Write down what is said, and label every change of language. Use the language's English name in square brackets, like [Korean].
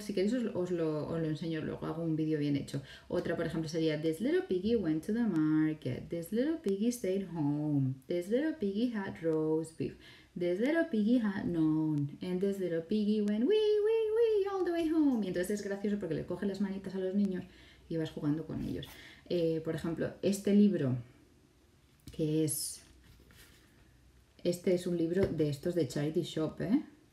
[Spanish] Si queréis os lo enseño luego, hago un vídeo bien hecho. Otra, por ejemplo, sería [English] This little piggy went to the market. This little piggy stayed home. This little piggy had roast beef. This little piggy had known. And this little piggy went wee, wee, wee all the way home. [Spanish] Y entonces es gracioso porque le coge las manitas a los niños y vas jugando con ellos. Por ejemplo, este libro... que es, este es un libro de estos de charity shop, ¿eh?